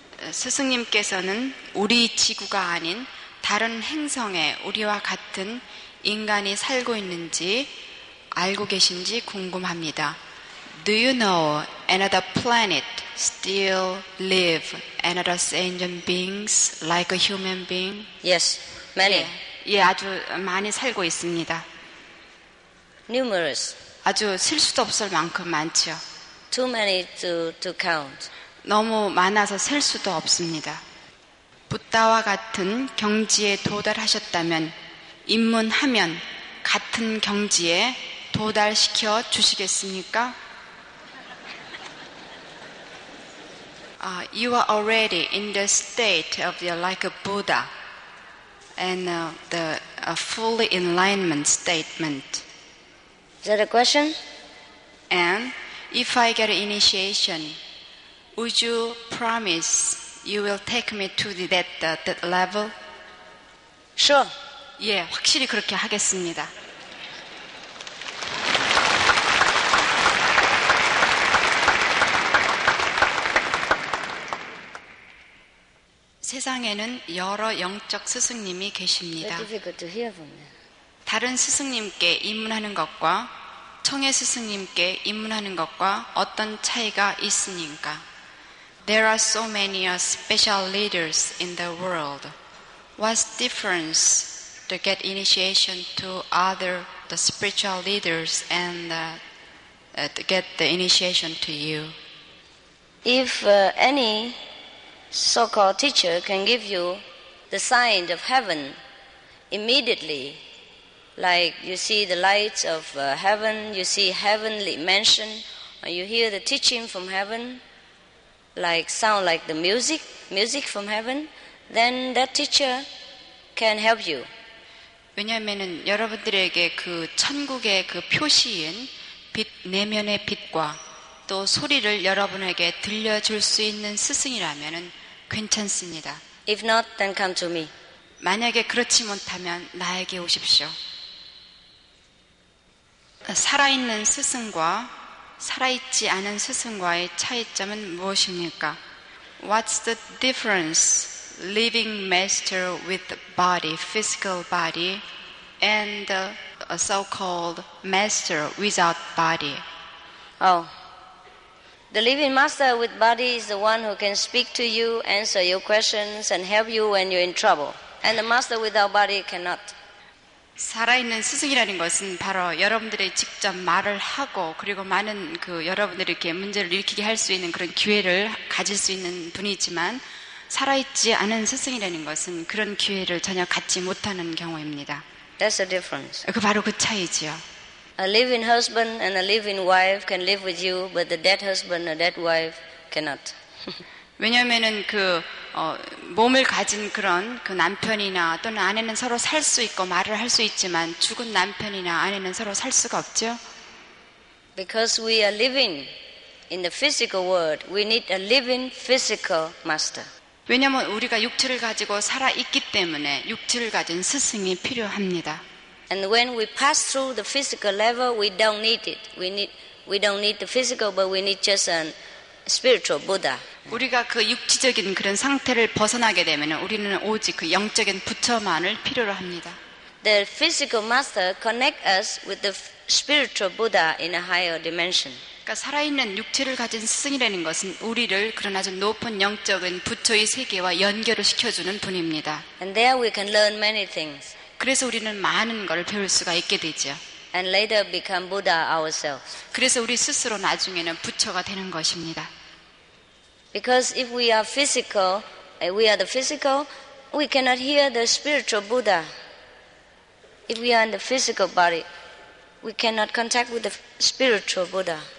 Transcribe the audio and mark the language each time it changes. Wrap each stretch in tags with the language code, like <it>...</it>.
<ko>스승님께서는 우리 지구가 아닌 다른 행성에 우리와 같은 인간이 살고 있는지 알고 계신지 궁금합니다.</ko> <en>Do you know another planet still live another sentient beings like a human being? Yes, many.</en> <ko>예, 아주 많이 살고 있습니다.</ko> <en>Numerous.</en> <ko>아주 셀 수도 없을 만큼 많죠.</ko> <en>Too many to count.</en> <ko>너무 많아서 셀 수도 없습니다. 부다와 같은 경지에 도달하셨다면 입문하면 같은 경지에 도달시켜 주시겠습니까?</ko> <en>You are already in the state of your like a Buddha and the fully enlightenment statement. Is that a question? And if I get initiation, would you promise you will take me to that level? Sure.</en> <ko>예, 확실히 그렇게 하겠습니다.</ko> <en>It's difficult to hear from you.</en> <ko>다른 스승님께 입문하는 것과 청해 스승님께 입문하는 것과 어떤 차이가 있습니까?</ko> <en>There are so many special leaders in the world. What's the difference to get initiation to other the spiritual leaders and to get the initiation to you? If any so-called teacher can give you the sign of heaven immediately, like you see the lights of heaven, you see heavenly mansion, or you hear the teaching from heaven, like sound like the music from heaven, then that teacher can help you.</en> <ko>왜냐하면은 여러분들에게 그 천국의 그 표시인 빛 내면의 빛과 또 소리를 여러분에게 들려줄 수 있는 스승이라면은 괜찮습니다.</ko> <en>If not, then come to me.</en> <ko>만약에 그렇지 못하면 나에게 오십시오. 살아있는 스승과 살아있지 않은 스승과의 차이점은 무엇입니까?</ko> <en>What's the difference living master with body, physical body, and a so-called master without body? Oh, the living master with body is the one who can speak to you, answer your questions, and help you when you're in trouble. And the master without body cannot.</en> <ko>살아있는 스승이라는 것은 바로 여러분들이 직접 말을 하고 그리고 많은 그 여러분들이 이렇게 문제를 일으키게 할 수 있는 그런 기회를 가질 수 있는 분이지만 살아있지 않은 스승이라는 것은 그런 기회를 전혀 갖지 못하는 경우입니다.</ko> <en>That's the difference.</en> <ko>그 바로 그 차이지요.</ko> <en>A living husband and a living wife can live with you, but the dead husband or dead wife cannot.</en> <ko>왜냐하면은 그 몸을 가진 그런 그 남편이나 또는 아내는 서로 살 수 있고 말을 할 수 있지만 죽은 남편이나 아내는 서로 살 수가 없죠.</ko> <en>Because we are living in the physical world, we need a living physical master.</en> <ko>왜냐하면 우리가 육체를 가지고 살아 있기 때문에 육체를 가진 스승이 필요합니다.</ko> <en>And when we pass through the physical level, we don't need it. We don't need the physical, but we need just an spiritual Buddha.</en> <ko>우리가 그 육체적인 그런 상태를 벗어나게 되면 우리는 오직 그 영적인 부처만을 필요로 합니다.</ko> <en>The physical master connect us with the spiritual Buddha in a higher dimension.</en> <ko>그러니까 살아있는 육체를 가진 스승이라는 것은 우리를 그런 아주 높은 영적인 부처의 세계와 연결을 시켜주는 분입니다.</ko> <en>And there we can learn many things.</en> <ko>그래서 우리는 많은 것을 배울 수가 있게 되죠.</ko> <en>And later become Buddha ourselves.</en> <ko>그래서 우리 스스로 나중에는 부처가 되는 것입니다.</ko> <en>Because if we are physical, we are the physical, we cannot hear the spiritual Buddha. If we are in the physical body, we cannot contact with the spiritual Buddha.</en>